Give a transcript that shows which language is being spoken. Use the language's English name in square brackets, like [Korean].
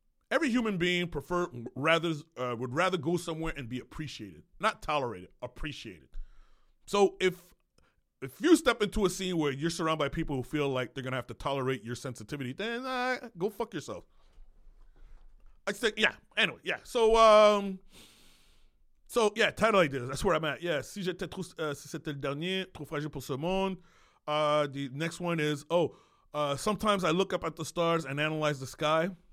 [English] Every human being would rather go somewhere and be appreciated, not tolerated, appreciated. So if you step into a scene where you're surrounded by people who feel like they're going to have to tolerate your sensitivity, then go fuck yourself. I said, yeah, anyway, yeah. So yeah, title like this. That's where I'm at. [French] Yeah, si j'étais trop, si c'était le dernier, trop fragile pour ce monde. [English] The next one is, sometimes I look up at the stars and analyze the sky.